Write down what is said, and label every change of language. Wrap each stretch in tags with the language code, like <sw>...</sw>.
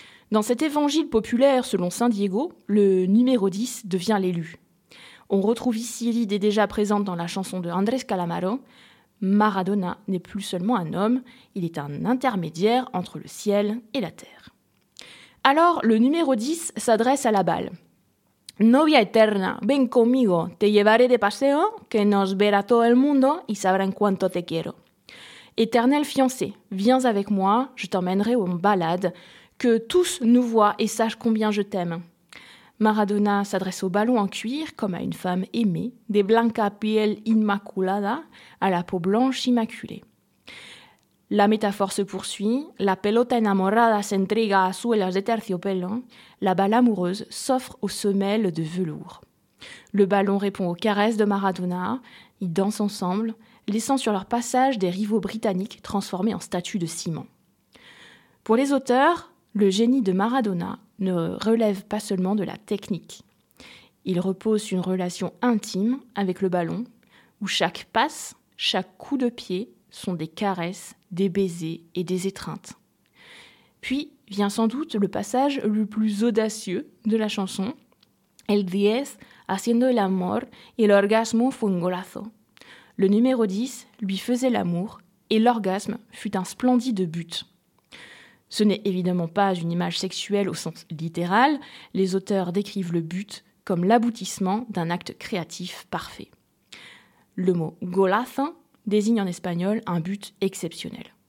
<fr>Dans cet évangile populaire selon saint Diego, le numéro 10 devient l'élu. On retrouve ici l'idée déjà présente dans la chanson de Andrés Calamaro. Maradona n'est plus seulement un homme, il est un intermédiaire entre le ciel et la terre. Alors, le numéro 10 s'adresse à la balle.</fr> <es>Novia eterna, ven conmigo, te llevaré de paseo, que nos verá todo el mundo y sabrán cuánto te quiero.</es> <fr>Éternel fiancé, viens avec moi, je t'emmènerai en balade, que tous nous voient et sachent combien je t'aime. Maradona s'adresse au ballon en cuir comme à une femme aimée,</fr> <es>de blanca piel inmaculada,</es> <fr>à la peau blanche immaculée. La métaphore se poursuit,</fr> <es>la pelota enamorada se entrega a suelas de terciopelo,</es> <fr>la balle amoureuse s'offre aux semelles de velours. Le ballon répond aux caresses de Maradona, ils dansent ensemble, laissant sur leur passage des rivaux britanniques transformés en statues de ciment. Pour les auteurs, le génie de Maradona ne relève pas seulement de la technique. Il repose sur une relation intime avec le ballon, où chaque passe, chaque coup de pied sont des caresses, des baisers et des étreintes. Puis vient sans doute le passage le plus audacieux de la chanson.</fr> <es>El 10, haciendo el amor, y el orgasmo fue un golazo.</es> <fr>Le numéro 10 lui faisait l'amour, et l'orgasme fut un splendide but. Ce n'est évidemment pas une image sexuelle au sens littéral, les auteurs décrivent le but comme l'aboutissement d'un acte créatif parfait. Le mot « golazo » désigne en espagnol un but exceptionnel.</fr>